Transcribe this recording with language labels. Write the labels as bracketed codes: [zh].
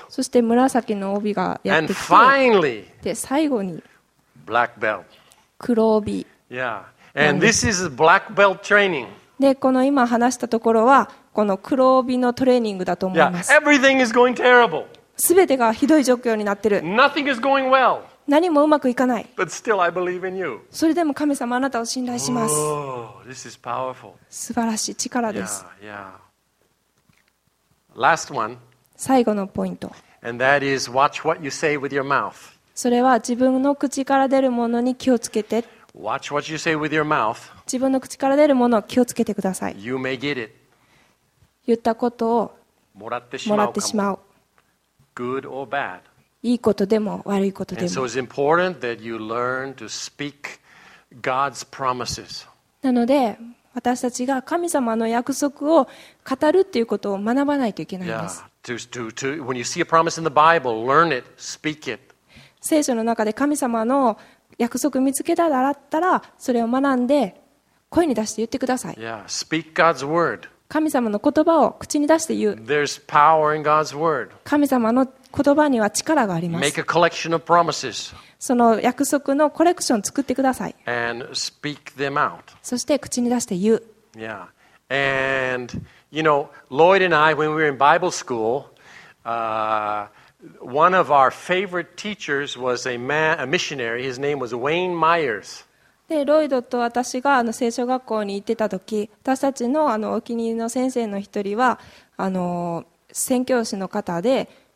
[ja] そして紫の帯がやってきて [en] And finally, [ja] で最後に [en] black belt. [ja] 黒帯 [en] Yeah. And this is black belt training. [ja] でこの今話したところはこの黒帯のトレーニングだと思います。 [en] Yeah. Everything is going terrible. [ja] 全てがひどい状況になってる。 [en] Nothing is going well. [ja] 何もうまくいかない。 [en] But still I believe in you. [ja] それでも神様あなたを信頼します。 [en] Oh, this is powerful. [ja] 素晴らしい力です。 [en] Yeah, yeah. Last one. [ja] 最後のポイント。 [en] And that is watch what you say with your mouth. [ja] それは自分の口から出るものに気をつけて。 [en] Watch what you say with your mouth. [ja] 自分の口から出るものを気をつけてください。 [en] You may get it. [ja] 言ったことをもらってしまうかも。もらってしまう。 [en] Good or bad. [ja] いいことでも悪いことでも。 [en] And so it's important that you learn to speak God's promises. [ja] なので私たちが神様の約束を語るっていうことを学ばないといけないんです。 [en] Yeah. To when you see a promise in the Bible, learn it, speak it. [ja] 聖書の中で神様の約束を見つけたらあったらそれを学んで声に出して言ってください。 [en] Yeah. Speak God's word. [ja] 神様の言葉を口に出して言う。 [en] There's power in God's word. [ja] 神様の言葉には力があります。 [en] Make a collection of promises. [ja] その約束のコレクションを作ってください。 [en] And speak them out. [ja] そして口に出して言う。 [en] Yeah. And, you know, Lloyd and I, when we were in Bible school, one of our favorite teachers was a missionary. His name was Wayne Myers. [ja] で、ロイドと私が聖書学校に行ってた時、私たち の, お気に入りの先生の一人は、宣教師の方で、